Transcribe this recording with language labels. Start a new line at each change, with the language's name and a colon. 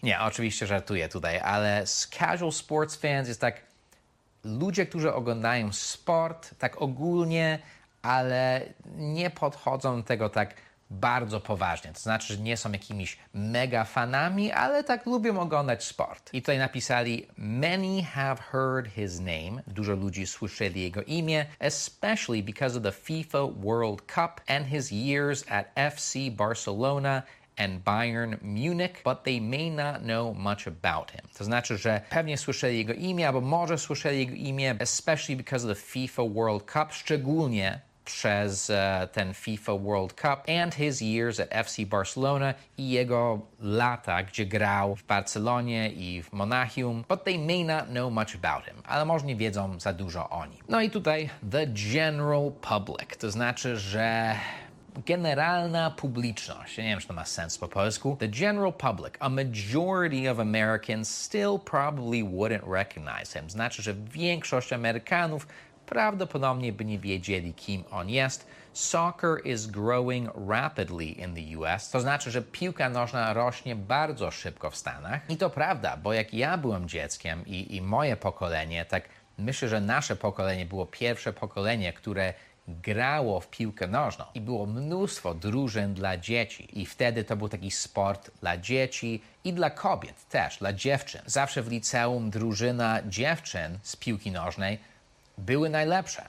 Polish: Nie, oczywiście żartuję tutaj, ale
English: casual sports fans
Polish: jest tak ludzie, którzy oglądają sport tak ogólnie, ale nie podchodzą do tego tak bardzo poważnie. To znaczy, że nie są jakimiś mega fanami, ale tak lubią oglądać sport. I tutaj napisali,
English: many have heard his name.
Polish: Dużo ludzi słyszeli jego imię.
English: Especially because of the FIFA World Cup and his years at FC Barcelona and Bayern Munich, but they may not know much about him.
Polish: To znaczy, że pewnie słyszeli jego imię, albo może słyszeli jego imię,
English: especially because of the FIFA World Cup,
Polish: szczególnie przez ten FIFA World Cup
English: and his years at FC Barcelona
Polish: i jego lata, gdzie grał w Barcelonie i w Monachium,
English: but they may not know much about him.
Polish: Ale może nie wiedzą za dużo o nim. No i tutaj
English: the general public,
Polish: to znaczy, że generalna publiczność. Nie wiem, czy to ma sens po polsku.
English: The general public, a majority of Americans still probably wouldn't recognize him.
Polish: Znaczy, że większość Amerykanów prawdopodobnie by nie wiedzieli, kim on jest.
English: Soccer is growing rapidly in the US.
Polish: To znaczy, że piłka nożna rośnie bardzo szybko w Stanach. I to prawda, bo jak ja byłem dzieckiem i moje pokolenie, tak myślę, że nasze pokolenie było pierwsze pokolenie, które grało w piłkę nożną i było mnóstwo drużyn dla dzieci. I wtedy to był taki sport dla dzieci i dla kobiet też, dla dziewczyn. Zawsze w liceum drużyna dziewczyn z piłki nożnej były najlepsze.